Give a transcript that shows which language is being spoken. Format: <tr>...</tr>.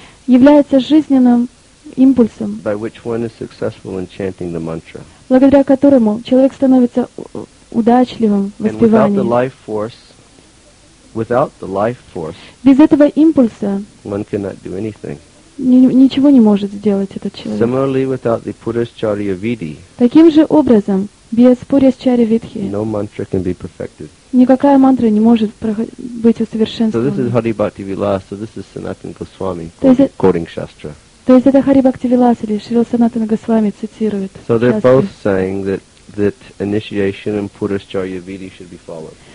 <ru>Является жизненным импульсом,</ru> <en>by which one is successful in chanting the mantra.</en> <ru>Благодаря которому человек становится удачливым в воспевании.</ru> <en>And without the life force,</en> <ru>без этого импульса,</ru> <en>one cannot do anything.</en> <ru>Ничего не может сделать этот человек.</ru> <en>Similarly, without the Purascharya Vidhi,</en> <ru>таким же образом, без Purascharya Vidhi,</ru> <en>no mantra can be perfected.</en> <ru>Никакая мантра не может быть усовершенствована.</ru> <en>So this is Hari Bhakti Vilas, so this is Sanatan Goswami quoting Shastra.</en> <ru>То есть это Хари Бхакти Вилас или Шрила Санатана Госвами цитирует.</ru> <en>So they're both saying that initiation and Purascharya Vidhi should be followed.</en>